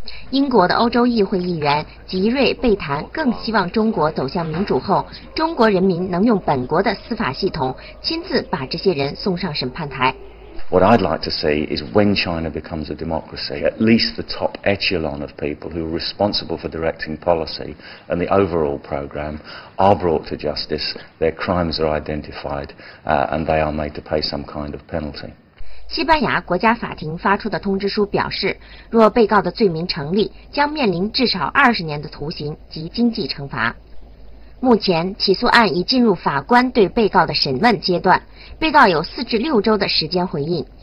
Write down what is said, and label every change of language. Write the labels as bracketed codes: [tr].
[zh] 英国的欧洲议会议员吉瑞·贝谭更希望中国走向民主后，中国人民能用本国的司法系统亲自把这些人送上审判台。 [en] What I'd like to see is when China becomes a democracy, at least the top echelon of people who are responsible for directing policy and the overall program are brought to justice, their crimes are identified, and they are made to pay some kind of penalty. [zh] 西班牙国家法庭发出的通知书表示，若被告的罪名成立，将面临至少20年的徒刑及经济惩罚。目前，起诉案已进入法官对被告的审问阶段，被告有4至6周的时间回应。